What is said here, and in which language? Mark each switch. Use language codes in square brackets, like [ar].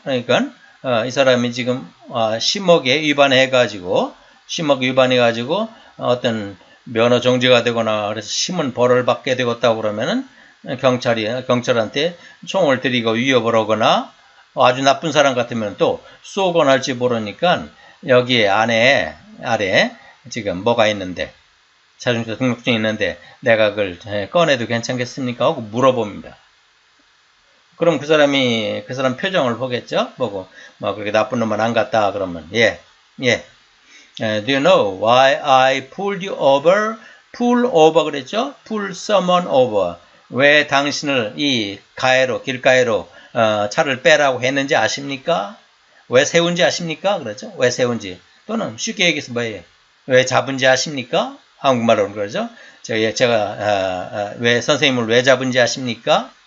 [ko] 그러니까 이 사람이 지금 심하게 위반해 가지고 심하게 위반해 가지고 어떤 면허 정지가 되거나 그래서 심은 벌을 받게 되었다고 그러면은 경찰한테 총을 들이고 위협을 하거나 아주 나쁜 사람 같으면 또 쏘거나 할지 모르니까 여기에 안에 아래에 지금 뭐가 있는데 자동차 등록증이 있는데 내가 그걸 꺼내도 괜찮겠습니까? 하고 물어봅니다. 그럼 그 사람이 그 사람 표정을 보겠죠? 보고 뭐 그렇게 나쁜 놈은 안 갔다 그러면 예, 예. [en] Do you know why I pulled you over? Pull over [ko] 그랬죠? [en] Pull someone over. [ko] 왜 당신을 이 가해로 길가해로 차를 빼라고 했는지 아십니까? 왜 세운지 아십니까? 그렇죠? 왜 세운지. 또는 쉽게 얘기해서 뭐예요? 왜 잡은지 아십니까? 한국말로는 그러죠? 제가 왜 선생님을 왜 잡은지 아십니까?